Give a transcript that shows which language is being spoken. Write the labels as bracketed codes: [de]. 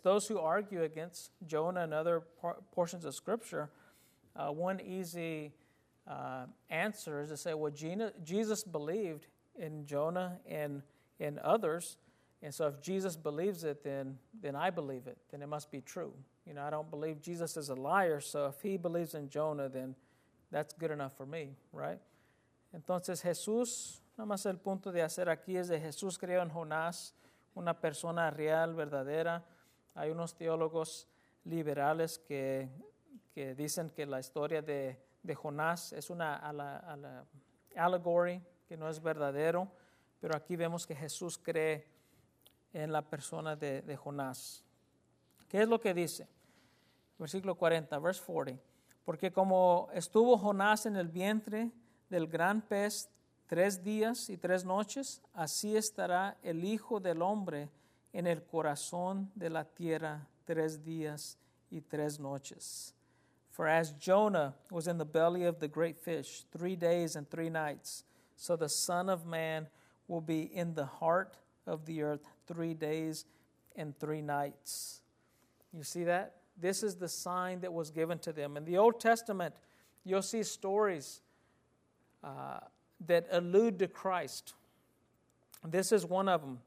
[en] Those who argue against Jonah and other portions of Scripture, one easy answer is to say, well, Jesus believed in Jonah and in others. And so if Jesus believes it, then I believe it. Then it must be true. You know, I don't believe Jesus is a liar. So if he believes in Jonah, then that's good enough for me, right? [es] Entonces Jesús, nada más el punto de hacer aquí es de Jesús creyó en Jonás, una persona real, verdadera. Hay unos teólogos liberales que dicen que la historia de Jonás es una allegory, que no es verdadero. Pero aquí vemos que Jesús cree en la persona de Jonás. ¿Qué es lo que dice? Versículo 40, [en] verse 40. [es] Porque como estuvo Jonás en el vientre del gran pez 3 días y 3 noches, así estará el Hijo del Hombre en el corazón de la tierra 3 días y 3 noches. [en] For as Jonah was in the belly of the great fish 3 days and 3 nights, so the Son of Man will be in the heart of the earth 3 days and 3 nights. You see that? This is the sign that was given to them. In the Old Testament, you'll see stories that allude to Christ. This is one of them.